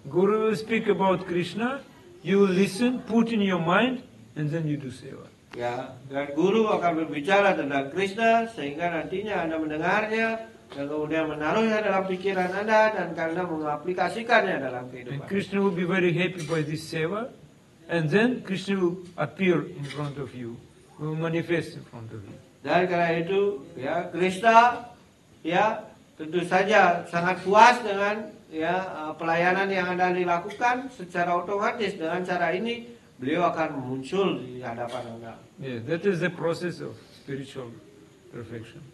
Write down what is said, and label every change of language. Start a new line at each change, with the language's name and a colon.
English: Guru will speak about Krishna, you listen, put in your mind, and then you do seva.
Indonesian: Ya, dan guru akan berbicara tentang Krishna sehingga nantinya Anda mendengarnya dan kemudian menaruhnya dalam pikiran Anda dan karena mengaplikasikannya dalam kehidupan.
English: And Krishna will be very happy by this seva, and then Krishna will appear in front of you, will manifest in front of you.
Indonesian: Dan karena itu, ya Krishna, ya tentu saja sangat puas dengan ya pelayanan yang Anda lakukan secara otomatis dengan cara ini. Beliau akan muncul di hadapan Anda.
English: Yeah, that is the process of spiritual perfection.